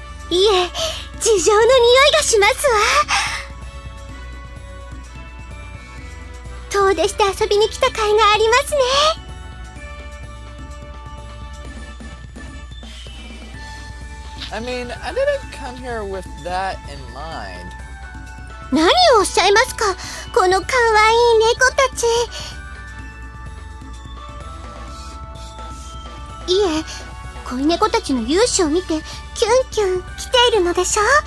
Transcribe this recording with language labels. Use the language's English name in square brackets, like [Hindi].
[Japanese] いえ、地上の匂いがしますわ。遠出して遊びに来た甲斐がありますね。 [English] I mean, I didn't come here with that in mind. [Japanese] 何をおっしゃいますか、この可愛い猫たち。いえ、恋猫たちの勇姿を見てキュンキュン来ているのでしょう。